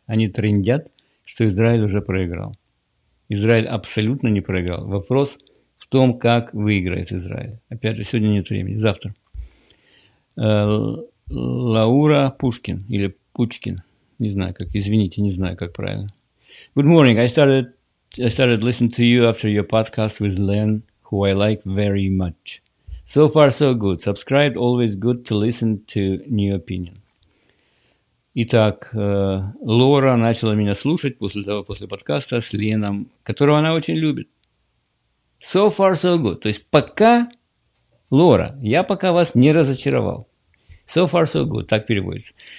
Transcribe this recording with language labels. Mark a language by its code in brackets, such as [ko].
[ru] Они трындят, что Израиль уже проиграл. Израиль абсолютно не проиграл. Вопрос в том, как выиграет Израиль. Опять же, сегодня нет времени. Завтра. Лаура Пушкин или Пучкин. Не знаю, как. Извините, не знаю, как правильно. [en] Good morning. I started listening to you after your podcast with Len, who I like very much. So far, so good. Subscribe. Always good to listen to new opinion. [ru] Итак, Лора начала меня слушать после подкаста с Леном, которого она очень любит. [en] So far, so good. [ru] То есть пока, Лора, я пока вас не разочаровал. [en] So far, so good. [ru] Так переводится.